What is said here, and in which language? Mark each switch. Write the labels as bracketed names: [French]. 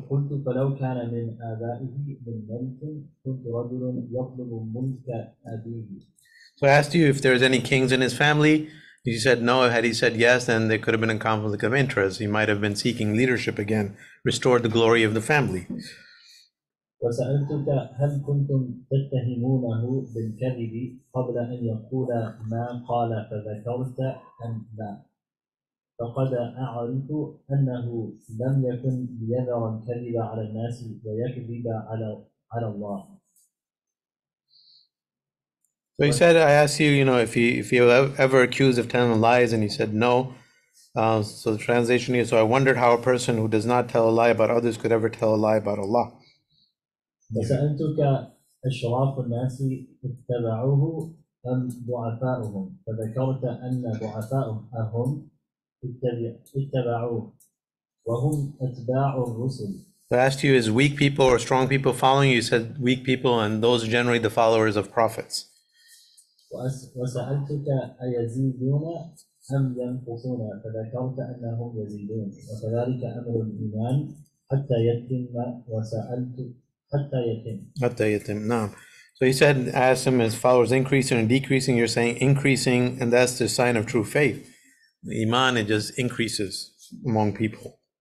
[Arabic] قلت فلو كان من آبائه من ملك كنت رجلا يطلب ملك أبيه. [English] So I asked you if there's any kings in his family. You said no. Had he said yes, then there could have been a conflict of interest. He might have been seeking leadership again, restored the glory of the family. [Arabic] وسألتك هل كنتم تتهمونه بالكذب قبل أن يقول ما قال فذكرت أن لا. فقد أعرف أنه لم يكن يذر الكذب على الناس ويكذب على الله. [English] So he said, I asked you, you know, if he ever accused of telling lies, and he said no. So the translation is, so I wondered how a person who does not tell a lie about others could ever tell a lie about Allah. [Arabic] وسألتك أشراف الناس اتبعوه أم ضعفاؤهم فذكرت أن ضعفاؤهم اتبعوه وهم أتباع الرسل. [English] So I asked you, is weak people or strong people following you? You said weak people, and those are generally the followers of prophets. [Arabic] وسألتك أيزيدون أم ينقصون فذكرت أنهم يزيدون وكذلك أمر الإيمان حتى يتم وسألتك حتى يتم. نعم. [English] So he said, ask him, his followers increasing and decreasing? You're saying increasing, and that's the sign of true faith. The iman, it just increases among people.